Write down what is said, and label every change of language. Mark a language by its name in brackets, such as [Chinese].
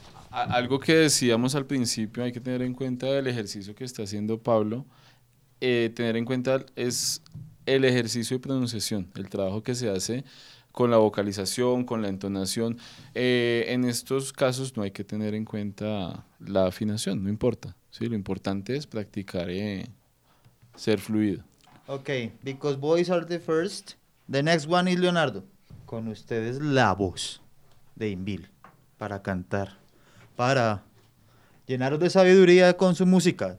[Spanish] Algo que decíamos al principio, hay que tener en cuenta el ejercicio que está haciendo Pablo. Tener en cuenta es el ejercicio de pronunciación, el trabajo que se hace con la vocalización, con la entonación. En estos casos no hay que tener en cuenta la afinación, no importa. ¿Sí? Lo importante es practicar ser fluido. [English] Ok, because boys are the first, the next one is Leonardo. [Spanish] Con ustedes la voz de Invil para cantar, para llenaros de sabiduría con su música.